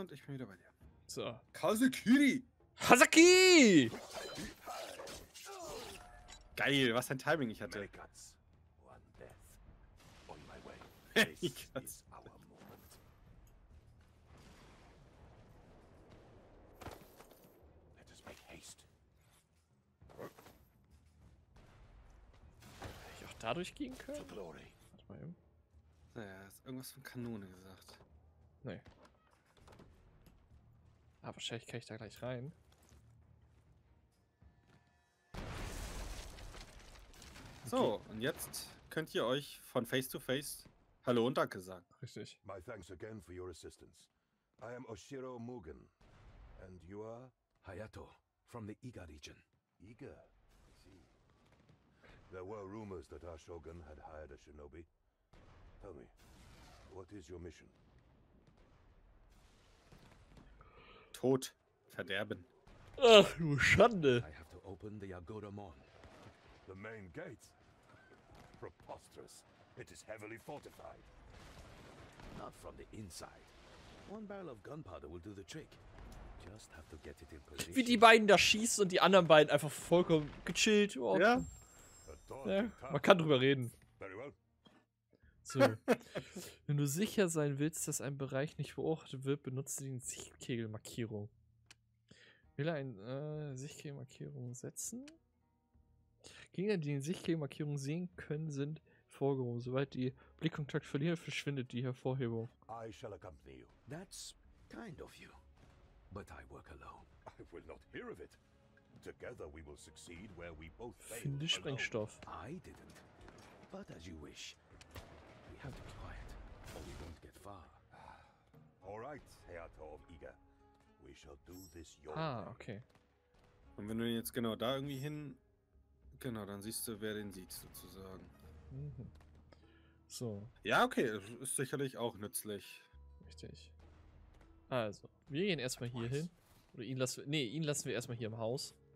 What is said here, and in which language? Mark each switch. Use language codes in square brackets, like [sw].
[de] Und ich bin wieder bei dir. So. [ja] Kazekiri! Hasaki! [de] Geil, was ein Timing ich hatte. [en] Megats, one death on my way. This is our moment. Let us make haste. [de] Hätte ich auch dadurch gehen können? [en] For glory. [de] Ja, er hat irgendwas von Kanone gesagt. Nee. Ah, wahrscheinlich kann ich da gleich rein. So, okay. Und jetzt könnt ihr euch von Face to Face Hallo und Danke sagen. Richtig. [en] My thanks again for your assistance. I am Oshiro Mugen. And you are Hayato from the Iga region. Iga? I see. There were rumors that our Shogun had hired a shinobi. Tell me, what is your mission? [de] Tod verderben. Ach, du Schande. [en] I have to open the Yagoda Mon. The main gate. Preposterous. It is heavily fortified. Not from the inside. One barrel of gunpowder will do the trick. Just have to get it in position. [de] Wie die beiden da schießen und die anderen beiden einfach vollkommen gechillt. Ja. Ja, man kann drüber reden. [en] Very well. [de] So. Wenn du sicher sein willst, dass ein Bereich nicht beobachtet wird, benutze die Sichtkegelmarkierung. Will er eine Sichtkegelmarkierung setzen? Gegner, die die Sichtkegelmarkierung sehen können, sind vorgehoben. Sobald die Blickkontakt verliert, verschwindet die Hervorhebung. [en] I shall accompany you. That's kind of you. But I work alone. I will not hear of it. Together we will succeed where we both fail. [de] Finde Sprengstoff. [en] I didn't. But as you wish. We have to be quiet, or we won't get far. All right, Hayato of Iga. We shall do this your way. [de] Ah, okay. Und wenn du jetzt genau da irgendwie hin... Genau, dann siehst du, wer den sieht, sozusagen. Mhm. So. Ja, okay, ist sicherlich auch nützlich. Richtig. Also, wir gehen erstmal hier hin. Oder ihn lassen wir... Nee, ihn lassen wir erstmal hier im Haus.